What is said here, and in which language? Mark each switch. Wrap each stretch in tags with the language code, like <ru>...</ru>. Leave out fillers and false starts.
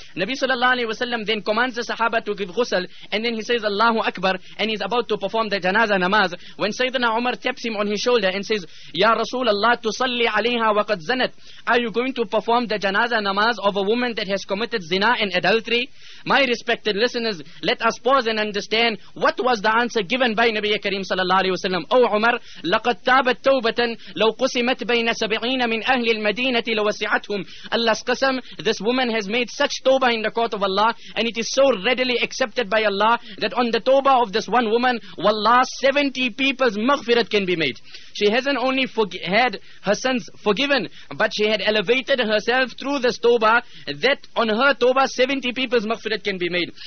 <en>Nabi sallallahu alayhi wa sallam then commands the sahaba to give ghusl, and then he says Allahu Akbar, and he's about to perform the janaza namaz, when Sayyidina Umar taps him on his shoulder and says, Ya Rasulallah,</en> <ar>tusalli alayha wa qad zanat.</ar> <en>Are you going to perform the janaza namaz of a woman that has committed zina and adultery? My respected listeners, let us pause and understand what was the answer given by Nabi Karim sallallahu alayhi wa sallam. O Umar,</en> <ar>لقد تابت توبة لو قسمت بين 70 من أهل المدينة لوسعتهم.</ar> <en>Allah's qasam, this woman has made such tawbah in the court of Allah, and it is so readily accepted by Allah that on the tawbah of this one woman, wallah, 70 people's maghfirat can be made. She hasn't only had her sins forgiven, but she had elevated herself through this tawbah, that on her tawbah 70 people's maghfirat can be made.</en>